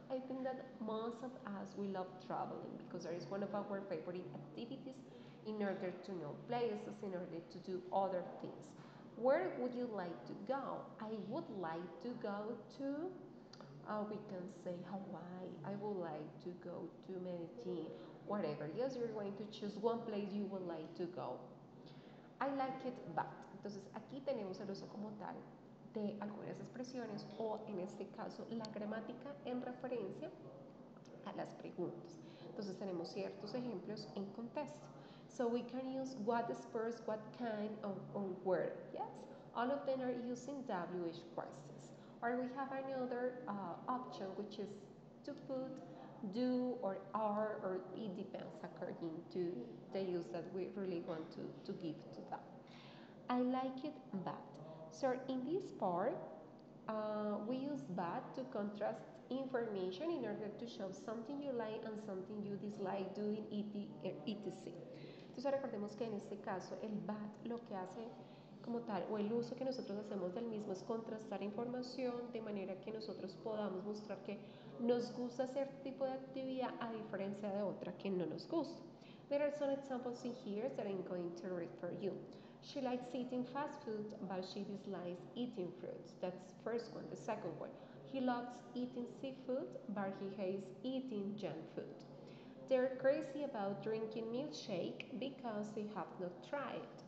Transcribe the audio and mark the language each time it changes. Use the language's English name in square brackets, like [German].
[English] I think that most of us, we love traveling because it is one of our favorite activities in order to know places, in order to do other things. Where would you like to go? I would like to go to, we can say Hawaii. I would like to go to Medellin, whatever. Yes, you're going to choose one place you would like to go. I like it, but. [Spanish] Entonces, aquí tenemos el uso como tal de algunas expresiones o, en este caso, la gramática en referencia a las preguntas. Entonces, tenemos ciertos ejemplos en contexto. [English] So, we can use what is first, what kind, or where. Yes, all of them are using WH questions. Or we have another option, which is to put do or are, or it depends according to the use that we really want to give to that. I like it, but. So in this part, we use but to contrast information in order to show something you like and something you dislike doing etc. [Spanish] Entonces recordemos que en este caso el but lo que hace como tal, o el uso que nosotros hacemos del mismo, es contrastar información de manera que nosotros podamos mostrar que nos gusta hacer tipo de actividad a diferencia de otra que no nos gusta. [English] There are some examples in here that I'm going to read for you. She likes eating fast food, but she dislikes eating fruits. That's the first one. The second one. He loves eating seafood, but he hates eating junk food. They're crazy about drinking milkshake because they have not tried.